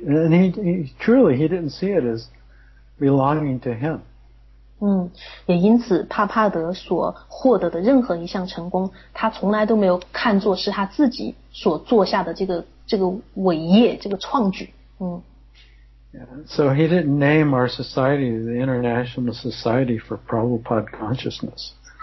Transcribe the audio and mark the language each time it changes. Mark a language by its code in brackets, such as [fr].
[en] And he truly didn't see it as belonging to him. [zh] 也因此帕帕德所获得的任何一项成功，他从来都没有看作是他自己所做下的这个伟业，这个创举。 [en] So he didn't name our society the International Society for Prabhupada Consciousness.